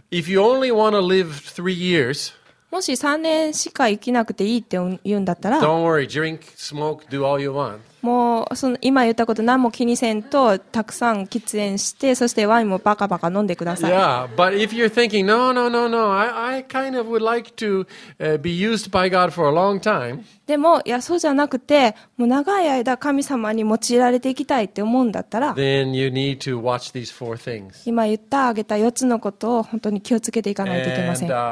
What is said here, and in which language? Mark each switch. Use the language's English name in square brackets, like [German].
[English] If you only want to live 3 years. [Japanese] もし3年しか生きなくていいって言うんだったら、 [English] Don't worry, drink, smoke, do all you want. [Japanese] もうその今言ったこと何も気にせんと、たくさん喫煙して、そしてワインもバカバカ飲んでください。 [English] Yeah, but if you're thinking, no, no, no, no, I kind of would like to be used by God for a long time. [Japanese] でも、いや、そうじゃなくて、もう長い間神様に用いられていきたいって思うんだったら、 [English] Then you need to watch these four things. [Japanese] 今言った、挙げた4つのことを本当に気をつけていかないといけません。